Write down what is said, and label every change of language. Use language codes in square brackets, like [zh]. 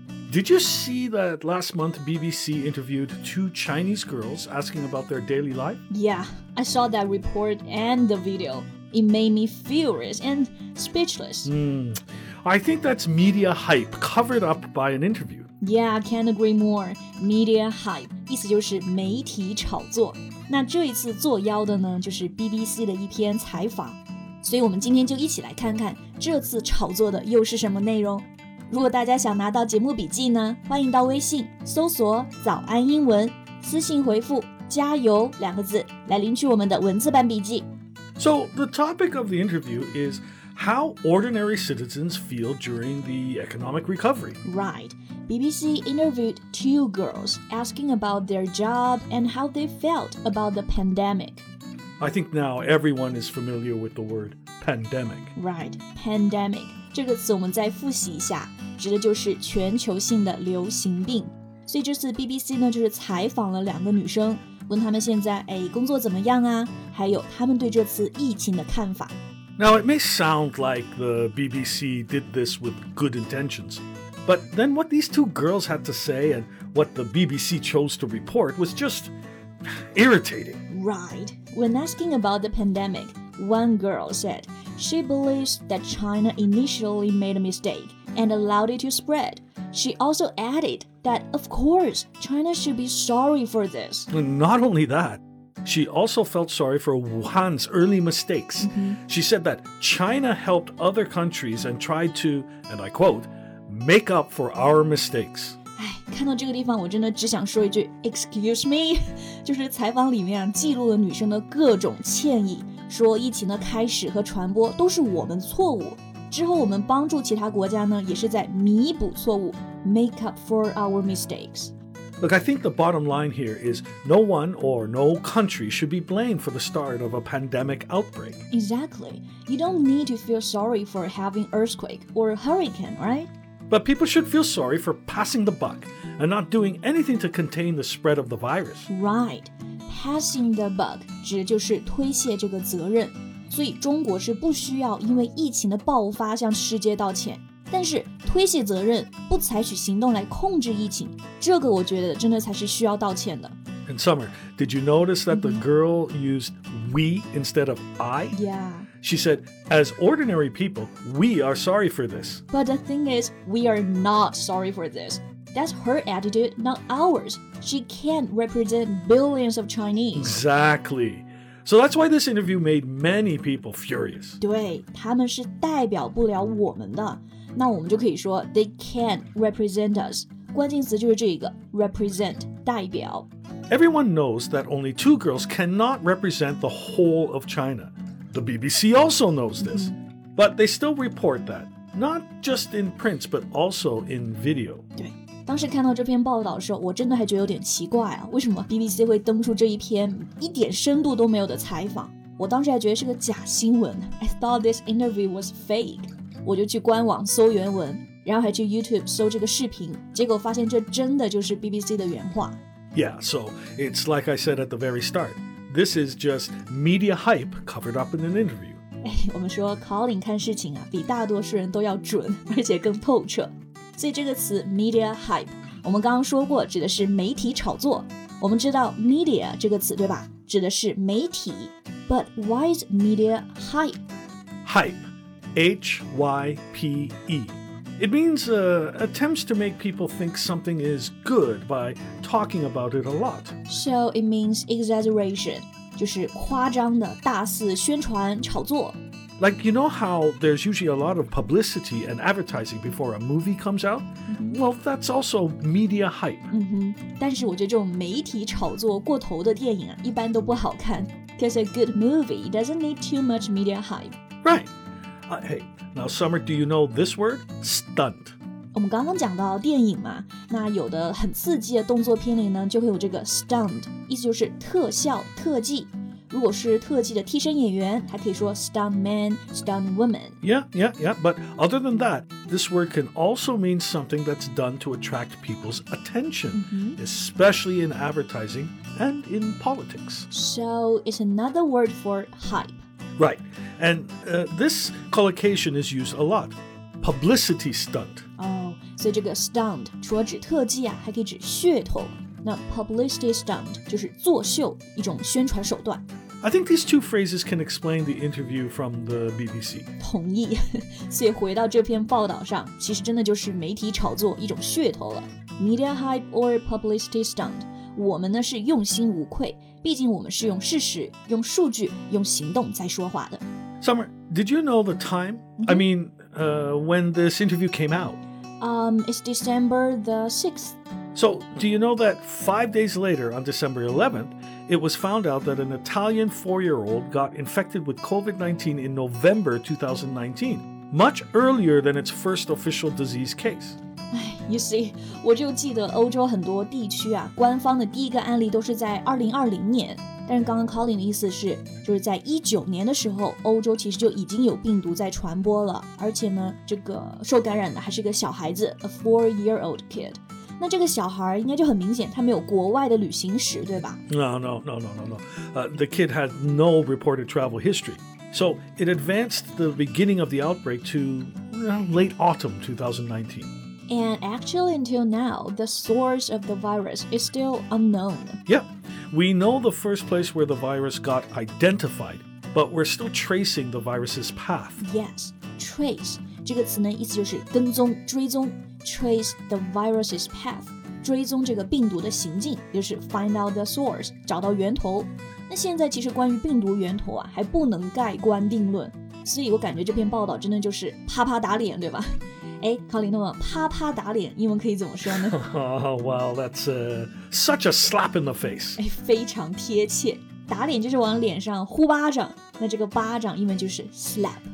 [en] Did you see that last month BBC interviewed two Chinese girls asking about their daily life? Yeah, I saw that report and the video. It made me furious and speechless. I think that's media hype covered up by an interview. Yeah, I can't agree more. Media hype, [zh] 意思就是媒体炒作。那这一次作妖的呢，就是 BBC 的一篇采访。所以我们今天就一起来看看这次炒作的又是什么内容。如果大家想拿到节目笔记呢，欢迎到微信搜索早安英文，私信回复加油两个字来领取我们的文字版笔记。 [en] So the topic of the interview is how ordinary citizens feel during the economic recovery. Right. BBC interviewed two girls asking about their job and how they felt about the pandemic. I think now everyone is familiar with the word pandemic. Right. Pandemic. [zh] 这个词我们再复习一下，指的就是全球性的流行病。所以这次 BBC 呢，就是采访了两个女生，问她们现在，哎，工作怎么样啊？还有她们对这次疫情的看法。 [en] Now, it may sound like the BBC did this with good intentions, but then what these two girls had to say and what the BBC chose to report was just irritating. Right. When asking about the pandemic, one girl said,She believes that China initially made a mistake and allowed it to spread. She also added that, of course, China should be sorry for this. Not only that, she also felt sorry for Wuhan's early mistakes. Mm-hmm. She said that China helped other countries and tried to, and I quote, make up for our mistakes. [zh] 哎，看到这个地方我真的只想说一句 [en] excuse me, [zh] 就是采访里面记录了女生的各种歉意。说疫情的开始和传播都是我们错误，之后我们帮助其他国家呢，也是在弥补错误 ， [en] make up for our mistakes. Look, I think the bottom line here is no one or no country should be blamed for the start of a pandemic outbreak. Exactly. You don't need to feel sorry for having earthquake or hurricane, right? But people should feel sorry for passing the buck and not doing anything to contain the spread of the virus. Right. Passing the buck [zh] 指的就是推卸这个责任，所以中国是不需要因为疫情的爆发向世界道歉，但是推卸责任不采取行动来控制疫情，这个我觉得真的才是需要道歉的。 [en] And Summer, did you notice that the girl used we instead of I? Yeah. She said, as ordinary people, we are sorry for this. But the thing is, we are not sorry for this. That's her attitude, not ours. She can't represent billions of Chinese. Exactly. So that's why this interview made many people furious. [zh] 对，他们是代表不了我们的。那我们就可以说 [en] they can't represent us. [zh] 关键词就是这个 represent, 代表。 [en] Everyone knows that only two girls cannot represent the whole of China. The BBC also knows this. But they still report that, not just in print, but also in video. [zh] 对。当时看到这篇报道的时候，我真的还觉得有点奇怪啊，为什么 BBC 会登出这一篇一点深度都没有的采访？我当时还觉得是个假新闻 ， [en] I thought this interview was fake。 [zh] 我就去官网搜原文，然后还去 YouTube 搜这个视频，结果发现这真的就是 BBC 的原话。 [en] Yeah, so it's like I said at the very start, this is just media hype covered up in an interview. [zh] 哎，我们说 Colin 看事情啊，比大多数人都要准，而且更透彻。所以这个词 [en] media hype [zh] 我们刚刚说过指的是媒体炒作，我们知道 media 这个词对吧，指的是媒体。 [en] But why is media hype? Hype, H-Y-P-E. It means attempts to make people think something is good by talking about it a lot. So it means exaggeration. [zh] 就是夸张的大肆宣传炒作。 [en] Like, you know how there's usually a lot of publicity and advertising before a movie comes out? Well, that's also media hype. [zh] 嗯哼，但是我觉得这种媒体炒作过头的电影啊，一般都不好看。 [en] Because a good movie doesn't need too much media hype. Right. Hey, now Summer, do you know this word? Stunt. [zh] 我们刚刚讲到电影嘛，那有的很刺激的动作片里呢，就会有这个 stunt, 意思就是特效、特技。如果是特技的替身演员，还可以说 [en] stunt man, stunt woman. Yeah. But other than that, this word can also mean something that's done to attract people's attention,、 mm-hmm. especially in advertising and in politics. So it's another word for hype. Right. And、this collocation is used a lot. Publicity stunt. Oh, so [zh] 这个 stunt 除了指特技啊，还可以指噱头。那 [en] publicity stunt [zh] 就是作秀，一种宣传手段。 [en] I think these two phrases can explain the interview from the BBC. [zh] 同意。所以回到这篇报道上，其实真的就是媒体炒作一种噱头了。 [en] Media hype or publicity stunt， [zh] 我们呢是用心无愧，毕竟我们是用事实、用数据、用行动在说话的。 [en] Summer, did you know the time?、 Mm-hmm. I mean, when this interview came out? It's December the 6th. So, do you know that 5 days later, on December 11th, it was found out that an Italian 4-year-old got infected with COVID-19 in November 2019, much earlier than its first official disease case? You see, [zh] 我就记得欧洲很多地区啊，官方的第一个案例都是在2020年。但是刚刚 Colin 的意思是，就是在19年的时候，欧洲其实就已经有病毒在传播了，而且呢，这个受感染的还是个小孩子 ， [en] a 4-year-old kid. [zh] 那这个小孩应该就很明显他没有国外的旅行史对吧 [en] No. The kid had no reported travel history. So it advanced the beginning of the outbreak to late autumn 2019. And actually until now, the source of the virus is still unknown. Yeah, we know the first place where the virus got identified, but we're still tracing the virus's path. [zh] Yes, trace 这个词呢意思就是跟踪追踪 [en] Trace the virus's path, [zh] 追踪这个病毒的行径，也就是 [en] find out the source, [zh] 找到源头。那现在其实关于病毒源头啊，还不能盖棺定论，所以我感觉这篇报道真的就是啪啪打脸，对吧？哎，考林，那么啪啪打脸，英文可以怎么说呢？ [en] Well, that's such a slap in the face. [zh] 哎，非常贴切，打脸就是往脸上呼巴掌，那这个巴掌英文就是 slap.